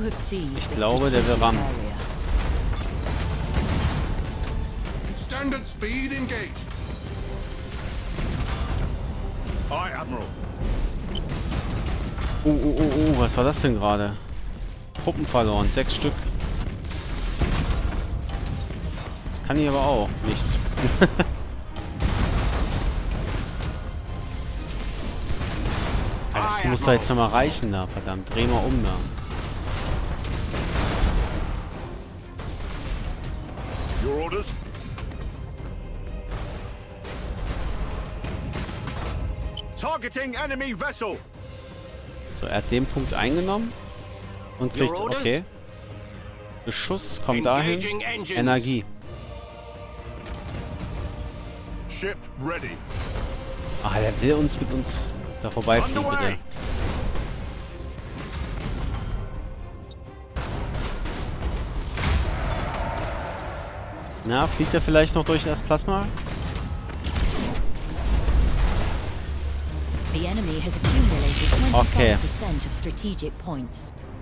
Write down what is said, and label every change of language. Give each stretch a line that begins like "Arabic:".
German: Ich glaube, der will ran.
English: Standard speed engaged. Aye, Admiral.
German: Oh, was war das denn gerade? Truppen verloren, 6 Stück. Das kann ich aber auch nicht. Das muss doch jetzt nochmal reichen da, verdammt. Dreh mal um da.
English: Your orders? Targeting enemy vessel.
German: So, er hat den Punkt eingenommen und kriegt, okay. Beschuss kommt dahin. Energie.
English: Ship ready.
German: Ah, der will uns mit uns da vorbeifliegen, bitte. Na, fliegt er vielleicht noch durch das Plasma?
English: The enemy has accumulated 25% of strategic points.